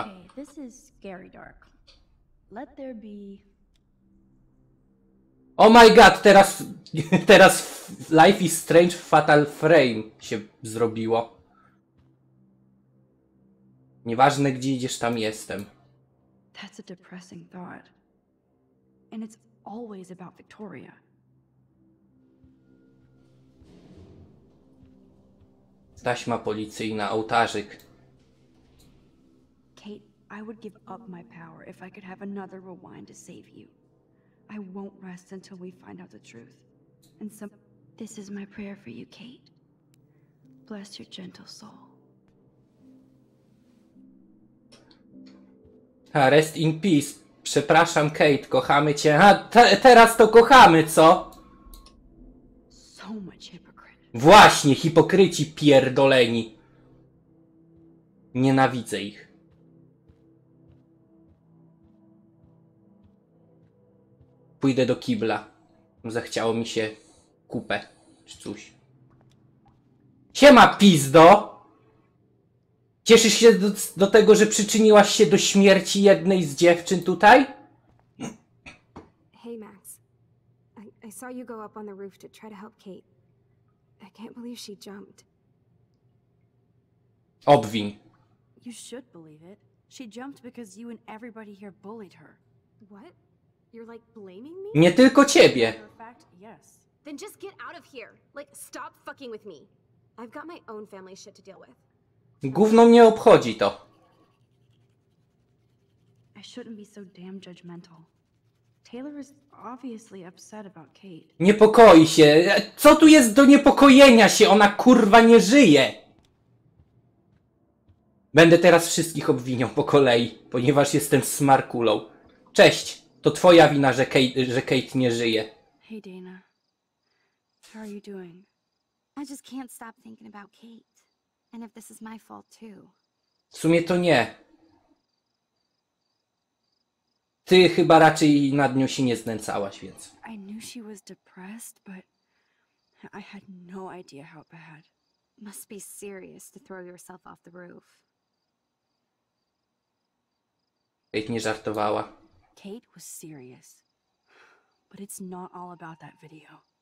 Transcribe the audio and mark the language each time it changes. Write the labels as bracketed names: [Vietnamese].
[English] Okay, this is Gary Dark. Let there be... Oh my god, [Polish] teraz Life is Strange Fatal Frame się zrobiło. Nieważne gdzie idziesz, tam jestem. [English] That's a depressing thought. And it's always about Victoria. [Polish] Taśma policyjna, ołtarzyk. [English] Kate, I would give up my power if I could have another rewind to save you. I won't rest until we find out the truth. And so, this is my prayer for you, Kate. Bless your gentle soul. A, rest in peace. [Polish] Przepraszam, Kate, kochamy cię. A, teraz to kochamy, co? [English] So much hypocrite. [Polish] Właśnie, hipokryci pierdoleni. Nienawidzę ich. Pójdę do kibla. Zachciało mi się kupę. Czy coś. Siema, pizdo! Cieszysz się do tego, że przyczyniłaś się do śmierci jednej z dziewczyn tutaj? [English] Hey, Max. I saw you go up on the roof to try to help Kate. I can't believe she jumped. [Polish] Obwin. [English] You should believe it. She jumped because you and everybody here bullied her. What? You're like blaming me? [Polish] Nie tylko ciebie. [English] Then just get out of here. Like stop fucking with me. I've got my own family shit to deal with. [Polish] Gówno mnie obchodzi to. [English] I shouldn't be so damn judgmental. Taylor is obviously upset about Kate. [Polish] Niepokoi się. Co tu jest do niepokojenia się? Ona kurwa nie żyje. Będę teraz wszystkich obwiniał po kolei, ponieważ jestem smarkulą. Cześć. To twoja wina, że Kate nie żyje. [English] Hey Dana. How are you doing? I just can't stop thinking about Kate. And if this is my fault too. [Polish] W sumie to nie. Ty chyba raczej nad nią się nie znęcałaś, więc. [English] I knew she was depressed, but I had no idea how bad. Must be serious to throw yourself off the roof. [Polish] Kate nie żartowała. [English] Kate was serious. But it's not all about that video.